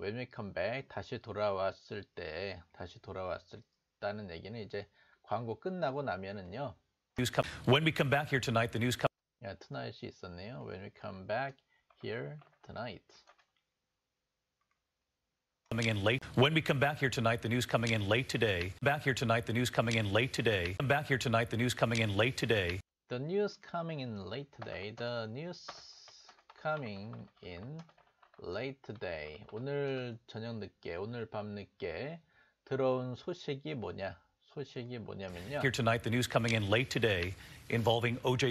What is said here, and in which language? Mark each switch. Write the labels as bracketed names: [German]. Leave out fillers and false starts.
[English] When we come back, [Korean] 다시 돌아왔을 때, 다시 돌아왔었다는 얘기는 이제 광고 끝나고 나면은요. [English] When we come back here tonight, the news comes. [Korean] Tonight이 있었네요. [English] When we come back here tonight. Coming in late. When we come back here tonight, the news coming in late today. Back here tonight, the news coming in late today. Come back here tonight, the news coming in late today. The news coming in late today. The news coming in late today. [Korean] 오늘 저녁 늦게, 오늘 밤 늦게 들어온 소식이 뭐냐? 소식이 뭐냐면요. [English] Here tonight, the news coming in late today, involving O.J.